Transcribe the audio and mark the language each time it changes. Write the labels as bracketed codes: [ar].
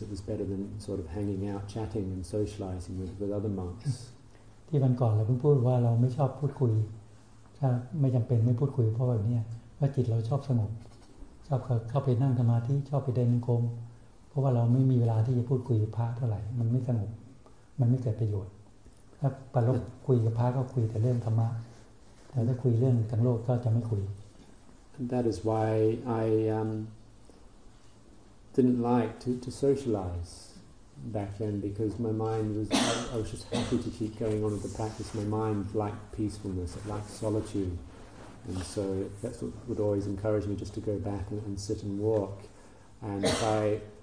[en] It was better than sort of hanging out, chatting, and socializing with other monks. [th] ที่วันก่อนเราเพิ่งพูดว่าเราไม่ชอบพูดคุยถ้าไม่จำเป็นไม่พูดคุยเพราะแบบนี้ว่าจิตเราชอบสงบชอบเข้าไปนั่งสมาธิชอบไปเดินจงกรมเพราะว่าเราไม่มีเวลาที่จะพูดคุยกับพระเท่าไหร่มันไม่สงบมันไม่เกิดประโยชน์ถ้าปรบคุยกับพระก็คุยแต่เรื่องธรรมะแต่ถ้าคุยเรื่องทั้งโลกก็จะไม่คุย [en] And that is why I didn't like to socialize back then because my mind was I was just happy to keep going on with the practice my mind liked peacefulness it liked solitude and so that's what would always encourage me just to go back and sit and walk and if I